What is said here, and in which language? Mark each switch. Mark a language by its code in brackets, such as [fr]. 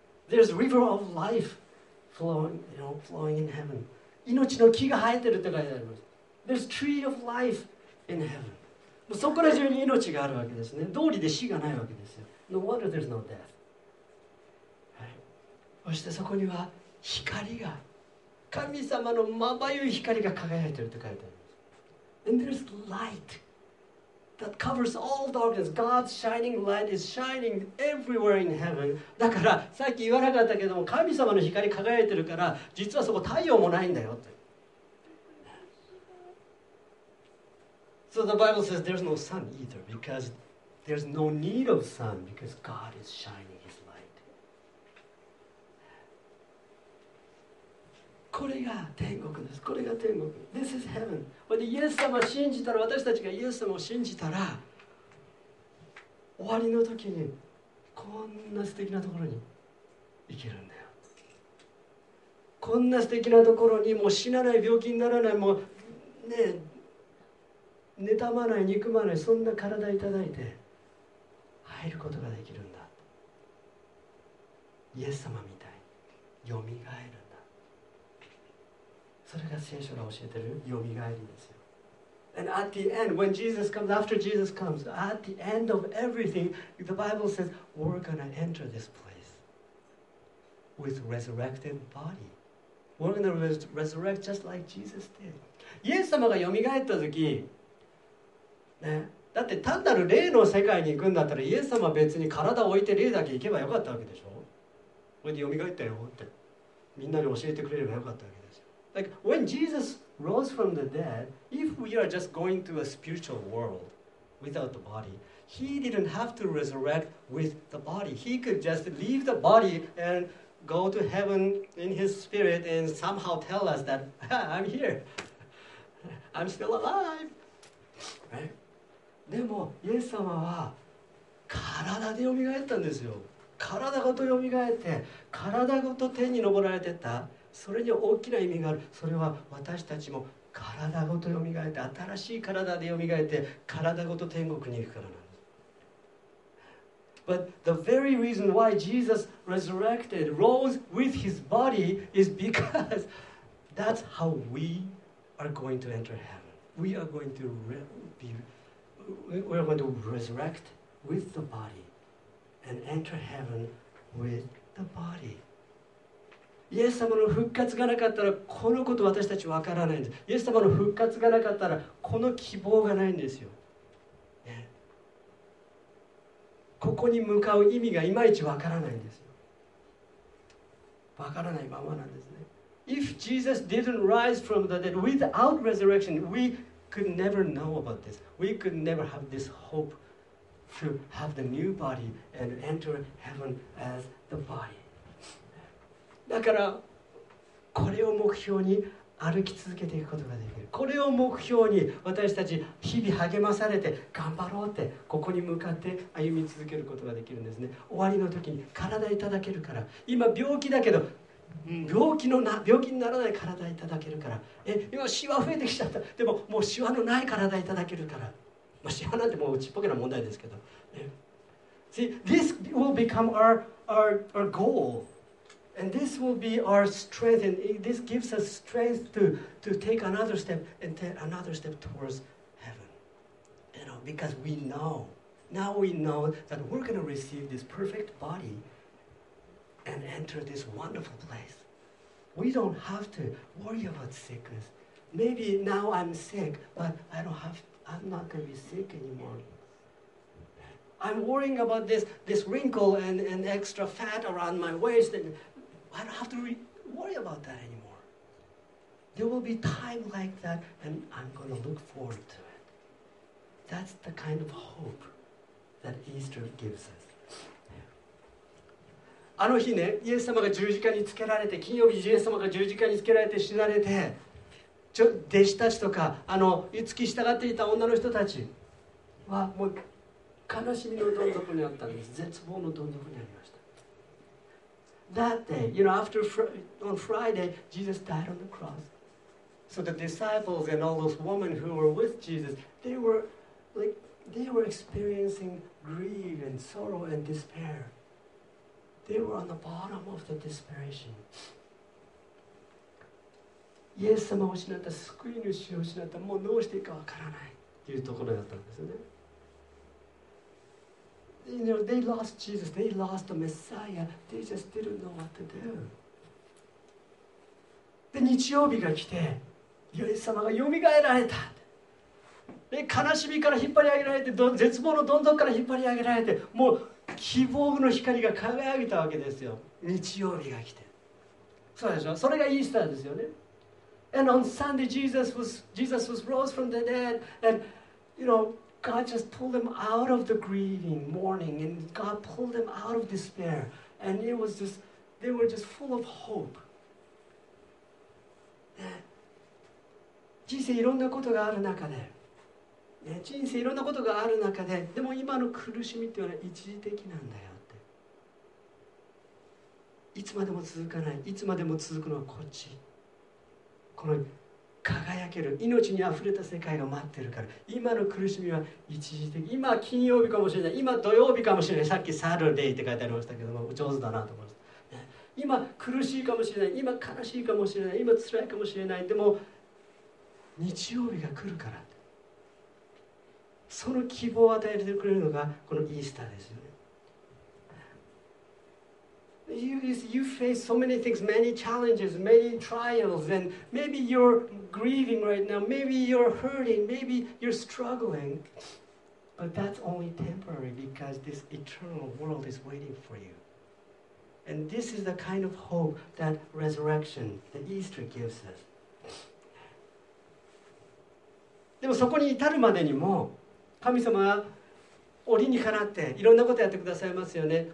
[en] There's river of life flowing, you know, flowing in heaven. [ja] 命の木が生えてるって書いてあります。 [en] There's tree of life in heaven. [ja] もうそこら中に命があるわけですね。道理で死がないわけですよ。 [en] No wonder there's no death. [ja] そしてそこには光が、神様のまばゆい光が輝いていると書いてあります。 [en] And there's light that covers all darkness. God's shining light is shining everywhere in heaven. [ja] だからさっき言わなかったけども、神様の光輝いてるから、実はそこ太陽もないんだよって。 [en] So the Bible says there's no sun either because there's no need of sun because God is shining His light. [ja] これが天国です。これが天国。 [en] This is heaven. But [ja] イエス様を信じたら、私たちがイエス様を信じたら、終わりの時にこんな素敵なところに行けるんだよ。こんな素敵なところにもう死なない、病気にならない、もうねえ、妬まない、憎まない、そんな体いただいて入ることができるんだ。イエス様みたいによみがえるんだ。それが聖書が教えてるよみがえりですよ。 [en] And at the end, when Jesus comes, after Jesus comes, at the end of everything, the Bible says, we're gonna enter this place with resurrected body. We're gonna resurrect just like Jesus did. [ja] イエス様がよみがえった時ね、だって単なる霊の世界に行くんだったらイエス様は別に体を置いて霊だけ行けばよかったわけでしょ。これで蘇ったよってみんなに教えてくれればよかったわけですよ。 [en] Like when Jesus rose from the dead, if we are just going to a spiritual world without the body, he didn't have to resurrect with the body. He could just leave the body and go to heaven in his spirit and somehow tell us that I'm here. I'm still alive. [ja] でもイエス様は体でよみがえったんですよ。体ごとよみがえって体ごと天に昇られてった。それに大きな意味がある。それは私たちも体ごとよみがえって新しい体でよみがえって体ごと天国に行くからなんです。 [en] But the very reason why Jesus resurrected, rose with his body is because that's how we are going to enter heaven. We are going to we're going to resurrect with the body and enter heaven with the body. [ja] イエス様の復活がなかったらこのこと私たちわからないんです。イエス様の復活がなかったらこの希望がないんですよ、ね、ここに向かう意味がいまいちわからないんですよ。わからないままなんですね。 [en] If Jesus didn't rise from the dead without resurrection, weWe could never know about this. We could never have this hope to have the new body and enter heaven as the body. [ja] だからこれを目標に歩き続けていくことができる。これを目標に私たち日々励まされて頑張ろうってここに向かって歩み続けることができるんですね。終わりの時に体いただけるから、今病気だけど病気にならない体いただけるから、今シワ増えてきちゃった、でももうシワのない体いただけるから、まあ、シワなんてもうちっぽけな問題ですけど、 [en] See, this will become our goal and this will be our strength and this gives us strength to take another step and take another step towards heaven, you know, because we know now we know that we're going to receive this perfect bodyand enter this wonderful place. We don't have to worry about sickness. Maybe now I'm sick, but I'm not going to be sick anymore. I'm worrying about this wrinkle and extra fat around my waist. And I don't have to worry about that anymore. There will be time like that, and I'm going to look forward to it. That's the kind of hope that Easter gives us. [ja] あの日ね、イエス様が十字架につけられて、金曜日イエス様が十字架につけられて死なれて、弟子たちとか、あの付き従っていた女の人たちはもう悲しみのどん底にあったんです。絶望のどん底にありました。 [en] That day, you know, on Friday, Jesus died on the cross. So the disciples and all those women who were with Jesus, they were experiencing grief and sorrow and despair. They were on the bottom of the desperation. [ja] イエス様を失った、救い主を失った、もうどうしていいかわからないっていうところだったんですよね。 [en] you know, they lost Jesus, they lost the Messiah, they just didn't know what to do. [ja] で、日曜日が来て、イエス様がよみがえられた。で、悲しみから引っ張り上げられて、絶望のどん底から引っ張り上げられて、もう希望の光が輝いたわけですよ。日曜日が来て。そうでしょ？それがイースターですよね。 [en] And on Sunday, Jesus was rose from the dead. And, you know, God just pulled them out of the grieving, mourning. And God pulled them out of despair. And it was just, they were just full of hope. [ja] 人生いろんなことがある中で、ね、人生いろんなことがある中で、でも今の苦しみっていうのは一時的なんだよって。いつまでも続かない、いつまでも続くのはこっち。この輝ける命にあふれた世界が待ってるから、今の苦しみは一時的。今は金曜日かもしれない、今土曜日かもしれない、さっきサルデイって書いてありましたけども、上手だなと思います、ね、今苦しいかもしれない、今悲しいかもしれない、今辛いかもしれない、でも日曜日が来るから、その希望を与えてくれるのがこのイースターですよね。 [en] You face so many things, many challenges, many trials, and maybe you're grieving right now, maybe you're hurting, maybe you're struggling, but that's only temporary because this eternal world is waiting for you. And this is the kind of hope that resurrection, the Easter gives us. [ja] でもそこに至るまでにも、神様は折にかなっていろんなことやってくださいますよね。